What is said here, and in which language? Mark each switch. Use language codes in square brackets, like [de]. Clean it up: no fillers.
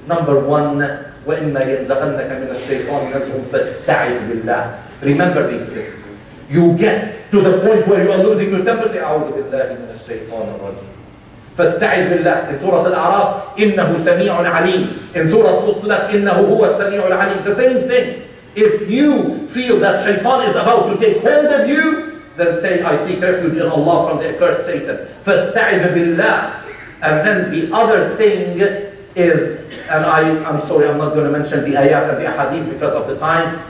[en] Number one, [ar] وَإِنَّ يَنْزَغَنَّكَ مِنَ الشَّيْطَانِ نَزْغٌ فَاسْتَعِذْ بِاللَّهِ. [en] Remember these things. You get to the point where you are losing your temper, say, [ar] أَعُوذُ بِاللَّهِ مِنَ الشَّيْطَانِ الرَّجِيمِ. فَاسْتَعِذْ بِاللَّهِ. [en] In Surah Al-A'raf, [ar] إِنَّهُ سَمِيعٌ عَلِيمٌ. [en] In Surah Fussilat, [ar] إِنَّهُ هُوَ السَّمِيعُ الْعَلِيمُ. [en] The same thing. If you feel that shaitan is about to take hold of you, then say, I seek refuge in Allah from the accursed Satan. [ar] فَاسْتَعِذْ بِاللَّهِ. [en] And then the other thing is, and I'm sorry, I'm not going to mention the ayat and the hadith because of the time.